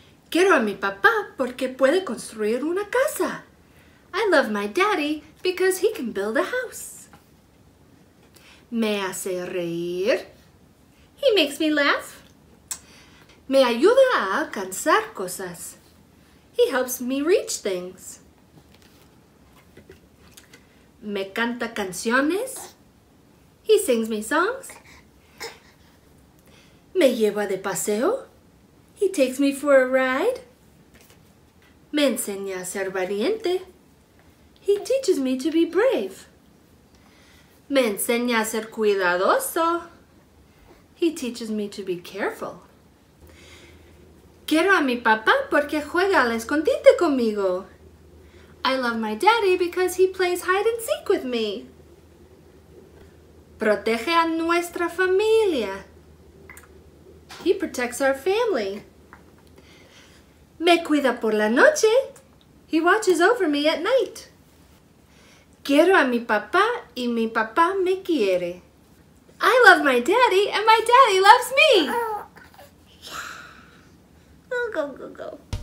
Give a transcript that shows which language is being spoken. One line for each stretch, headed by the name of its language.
Spanish: Quiero a mi papá porque puede construir una casa.
English: I love my daddy because he can build a house.
Spanish: Me hace reír.
English: He makes me laugh.
Spanish: Me ayuda a alcanzar cosas.
English: He helps me reach things.
Spanish: Me canta canciones.
English: He sings me songs.
Spanish: Me lleva de paseo.
English: He takes me for a ride.
Spanish: Me enseña a ser valiente.
English: He teaches me to be brave.
Spanish: Me enseña a ser cuidadoso.
English: He teaches me to be careful.
Spanish: Quiero a mi papá porque juega al escondite conmigo.
English: I love my daddy because he plays hide and seek with me.
Spanish: Protege a nuestra familia.
English: He protects our family.
Spanish: Me cuida por la noche.
English: He watches over me at night.
Spanish: Quiero a mi papá y mi papá me quiere.
English: I love my daddy and my daddy loves me. Go.